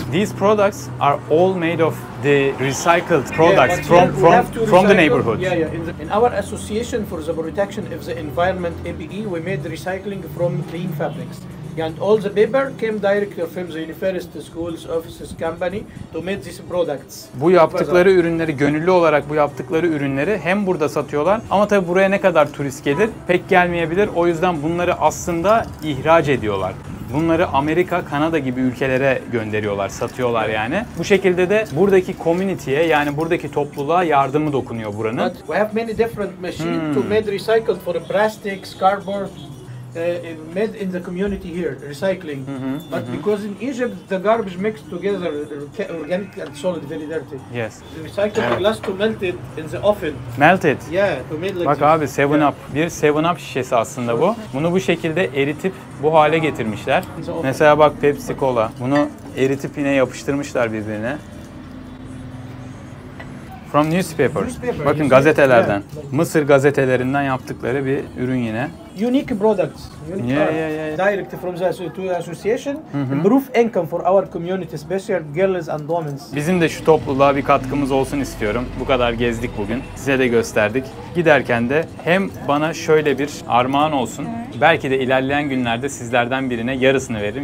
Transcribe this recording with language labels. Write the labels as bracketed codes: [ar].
[en] These products are all made of the recycled products from the neighborhood. Yeah, yeah. In our association for the protection of the environment, ABE, we made recycling from clean fabrics. And all the paper came directly from the university schools offices company to make these products. [tr] Bu yaptıkları ürünleri, gönüllü olarak bu yaptıkları ürünleri hem burada satıyorlar ama tabii buraya ne kadar turist gelir pek gelmeyebilir. O yüzden bunları aslında ihraç ediyorlar. Bunları Amerika, Kanada gibi ülkelere gönderiyorlar, satıyorlar yani. Bu şekilde de buradaki community'ye, yani buradaki topluluğa yardımı dokunuyor buranın. [en] But we have many different machines to make recycled for plastics, cardboard, made in the community here, recycling. Mm-hmm, but because in Egypt the garbage mixed together, organic and solid, very dirty. Yes. The recycled glass to melt it in the oven. Melt it? Yeah, to make like [tr] bak [en] this. [tr] Abi, 7 yeah. Up. Bir 7 Up şişesi aslında bu. Bunu bu şekilde eritip bu hale getirmişler. Mesela bak Pepsi Cola. Bunu eritip yine yapıştırmışlar birbirine. [en] From newspapers. [tr] Bakın gazetelerden. Yeah. Mısır gazetelerinden yaptıkları bir ürün yine. [en] Unique products. Unique products. Direct from the association. Improve income for our community, especially girls and women. [tr] Bizim de şu topluluğa bir katkımız olsun istiyorum. Bu kadar gezdik bugün. Size de gösterdik. Giderken de hem bana şöyle bir armağan olsun. Belki de ilerleyen günlerde sizlerden birine yarısını veririm.